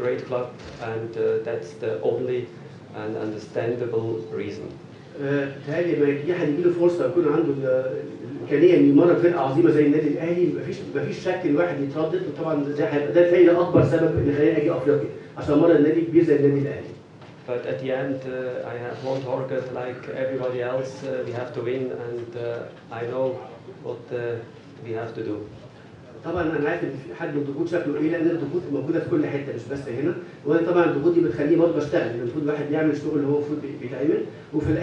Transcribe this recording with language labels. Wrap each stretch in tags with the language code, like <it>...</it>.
<en>great club and that's the only and understandable reason.</en> <ar>بتهيألي لما يجي حد يجي له فرصه يكون عنده الامكانيه انه يمرن فرقه عظيمه زي النادي الاهلي مفيش شك الواحد يتردد وطبعا ده هيبقى ده تهيألي اكبر سبب ان خلاني اجي افريقيا عشان امرن نادي كبير زي النادي الاهلي.</ar> <en>But at the end I have one target like everybody else we have to win and I know what we have to do.</en> <ar>طبعا انا عارف ان في حد الضغوط شكله ايه لان الضغوط موجوده في كل حته مش بس هنا وطبعا الضغوط دي بتخليه برضه بشتغل المفروض الواحد يعمل الشغل اللي هو المفروض بيتعمل وفي الاخر</ar>